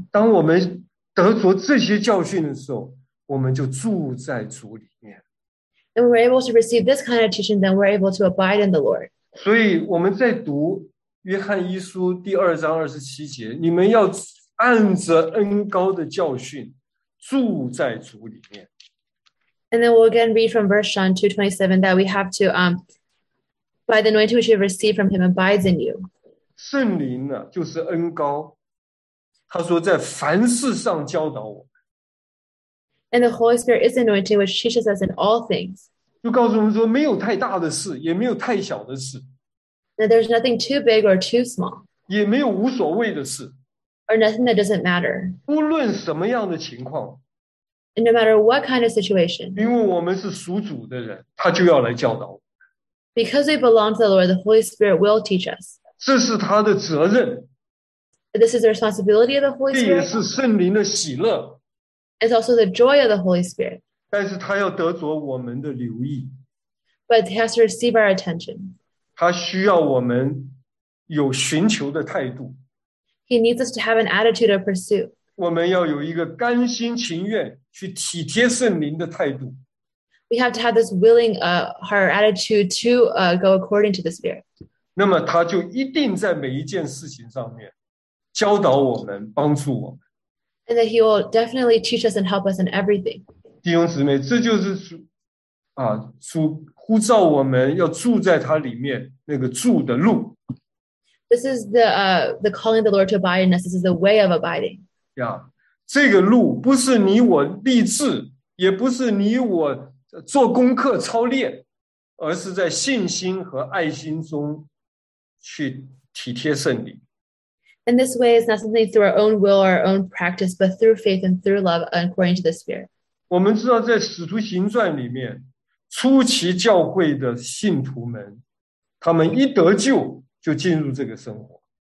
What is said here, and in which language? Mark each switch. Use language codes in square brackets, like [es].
[zh] 当我们得着这些教训的时候，我们就住在主里面。 [en] And we're able to receive this kind of teaching, then we're able to abide in the Lord. [zh] 所以我们在读约翰一书第二章二十七节，你们要按着恩膏的教训住在主里面。 [en] And then we'll again read from verse John 2:27 that we have to by the anointing which you have received from Him abides in you. [zh] 圣灵呢，就是恩膏。他说，在凡事上教导我们。 [en] And the Holy Spirit is anointing, which teaches us in all things. [zh] 就告诉我们说，没有太大的事，也没有太小的事。 [en] That there's nothing too big or too small. [zh] 也没有无所谓的事。 [en] Or nothing that doesn't matter. [zh] 不论什么样的情况。 [en] And no matter what kind of situation. [zh] 因为我们是属主的人，他就要来教导我们。 [en] Because we belong to the Lord, the Holy Spirit will teach us. [zh] 这是他的责任。 [en] This is the responsibility of the Holy Spirit. [zh] 这也是圣灵的喜乐。 [en] It's also the joy of the Holy Spirit. [zh] 但是他要得着我们的留意。 [en] But he has to receive our attention. [zh] 他需要我们有寻求的态度。 [en] He needs us to have an attitude of pursuit. [zh] 我们要有一个甘心情愿去体贴圣灵的态度。 [en] We have to have this willing heart attitude to go according to the Spirit. [zh] 那么他就一定在每一件事情上面教导我们，帮助我们。 [en] And that he will definitely teach us and help us in everything. [zh] 弟兄姊妹，这就是主呼召我们要住在他里面那个住的路。 [en] This is the calling of the Lord to abide in us. This is the way of abiding. [zh] 这个路不是你我立志，也不是你我做功课操练，而是在信心和爱心中。去体贴圣灵。 [en] And this way is not something through our own will or our own practice, but through faith and through love according to the Spirit. [zh] 我们知道在使徒行传里面，初期教会的信徒们，他们一得救就进入这个生活。